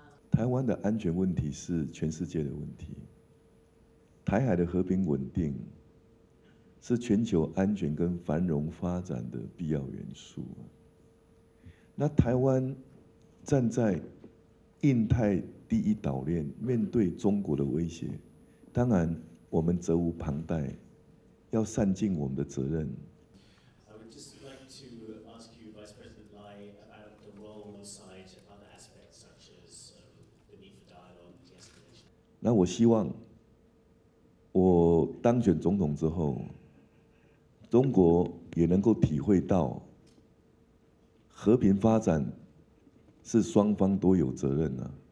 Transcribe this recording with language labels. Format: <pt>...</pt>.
<zh>台湾的安全问题是全世界的问题。台海的和平稳定是全球安全跟繁荣发展的必要元素。那台湾站在印太 第一岛链面对中国的威胁，当然我们责无旁贷，要善尽我们的责任。</zh> <en>I would just like to ask you, Vice President Lai, about the role on the side of other aspects such as the need for dialogue and de-escalation.</en> <zh>那我希望我当选总统之后，中国也能够体会到和平发展是双方都有责任的。</zh>